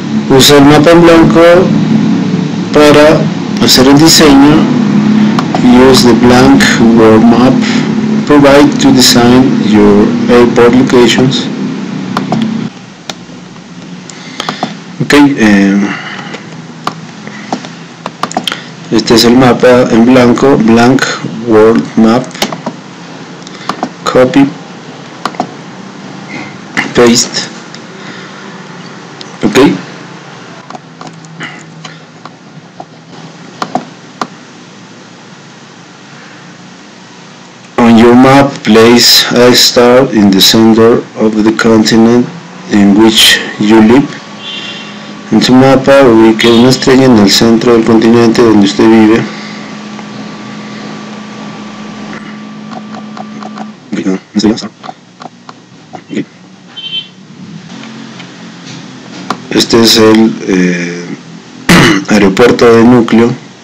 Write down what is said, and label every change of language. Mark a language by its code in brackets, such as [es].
[es] Usa el mapa en blanco para hacer el diseño. [en] Use the blank world map provided to design your airport locations. [es] Okay, este es el mapa en blanco, [en] blank world map. Copy, paste. Okay. On your map, place a star in the center of the continent in which you live. [es] En su mapa ubique una estrella en el centro del continente donde usted vive. Este es el aeropuerto de núcleo.